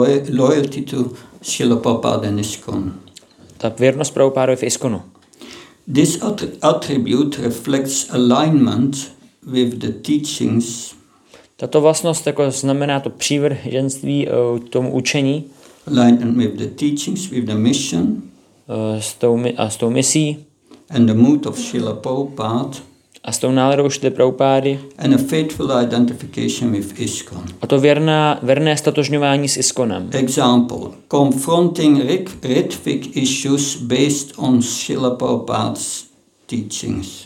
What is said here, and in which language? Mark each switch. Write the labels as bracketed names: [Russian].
[English] Loyalty to Srila Prabhupada and ISKCON. [Czech] Ta věrnost Prabhupádovi v ISKCONu. [English] This attribute reflects alignment with the teachings. [Czech] Tato vlastnost jako znamená to přívrženství tomu učení. [English] Alignment with the teachings, with the mission. [Czech] S tou misí. [English] And the mood of Srila Prabhupada. [Czech] A s tou náladou Srila Prabhupády. [English] And a faithful identification with ISKCON. [Czech] A to věrné statožňování s ISKCONem. [English] Example: confronting Ritvik issues based on Srila Prabhupada's teachings.